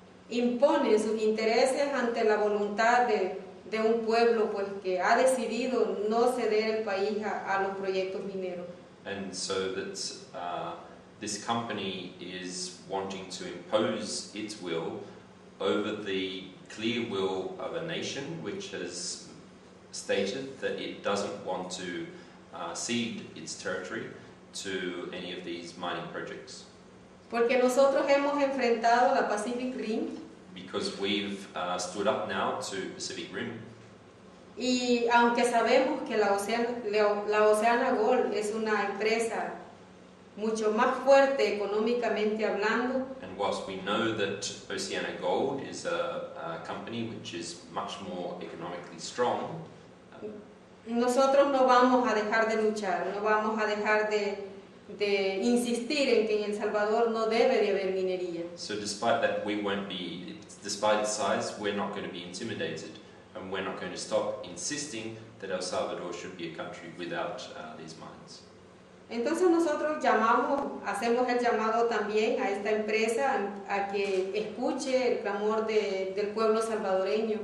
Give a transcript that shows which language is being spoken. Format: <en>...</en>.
<es>Impone sus intereses ante la voluntad de un pueblo pues que ha decidido no ceder el país a los proyectos mineros.</es> <en>And so that this company is wanting to impose its will over the clear will of a nation which has stated that it doesn't want to cede its territory to any of these mining projects.</en> <es>Porque nosotros hemos enfrentado la Pacific Rim.</es> <en>Because we've stood up now to Pacific Rim.</en> <es>Y aunque sabemos que la Oceana Gold es una empresa mucho más fuerte económicamente hablando.</es> <en>And whilst we know that Oceana Gold is a company which is much more economically strong.</en> <es>Nosotros no vamos a dejar de luchar, no vamos a dejar de insistir en que en El Salvador no debe de haber minería.</es> <en>So despite that, we won't be, despite the size, we're not going to be intimidated, and we're not going to stop insisting that El Salvador should be a country without these mines.</en> <es>Entonces nosotros llamamos, hacemos el llamado también a esta empresa a que escuche el clamor del pueblo salvadoreño.</es>